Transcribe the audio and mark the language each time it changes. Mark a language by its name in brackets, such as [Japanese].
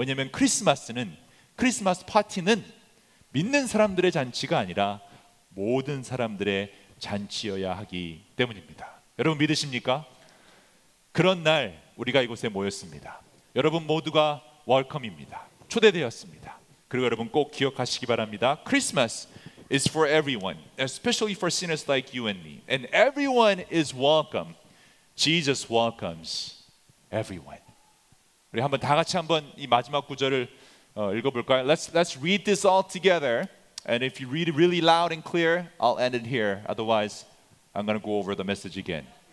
[Korean] 왜냐하면 크리스마스 파티는 믿는 사람들의 잔치가 아니라 모든 사람들의 잔치여야 하기 때문입니다. 여러분 믿으십니까? 그런 날 우리가 이곳에 모였습니다. 여러분 모두가 웰컴입니다. 초대되었습니다. 그리고 여러분 꼭 기억하시기 바랍니다. [English] Christmas is for everyone, especially for sinners like you and me. And everyone is welcome. Jesus welcomes everyone. [Korean] 우리 한번 다 같이 한번 이 마지막 구절을 읽어볼까요? [English] Let's read this all together. And if you read it really loud and clear, I'll end it here. Otherwise, I'm going to go over the message again.